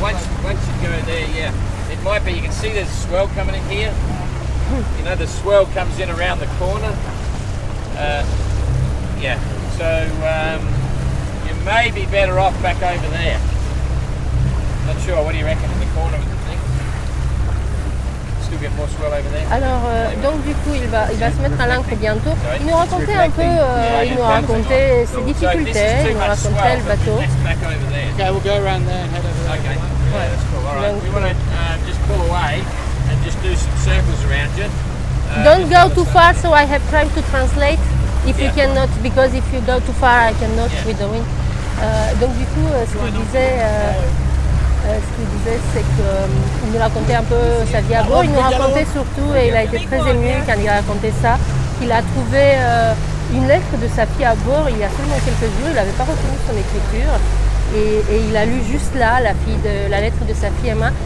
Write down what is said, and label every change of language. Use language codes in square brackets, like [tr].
[en] Once you go there, it might be. You can see there's a swell coming in here. You know, the swell comes in around the corner. You may be better off back over there. Not sure, what do you reckon in the corner with the thing? Still get more swell over there. [fr] Alors, donc du coup, il va se mettre à l'ancre bientôt. Il nous racontait un peu, il nous racontait ses difficultés, il nous racontait le bateau. [en] Back over there. Okay, we'll go around there and head over there. Okay, that's cool. All right, we want to just pull away and just do some circles around you. Don't go too far, so I have time to translate. Because if you go too far, I cannot with the wind. [fr] Donc du coup, ce qu'il disait, c'est qu'il nous racontait un peu sa vie à bord. Il nous racontait surtout, et il a été très ému quand il a raconté ça, qu'il a trouvé une lettre de sa fille à bord il y a seulement quelques jours. Il n'avait pas retenu son écriture. Et il a lu juste là la lettre de sa fille Emma.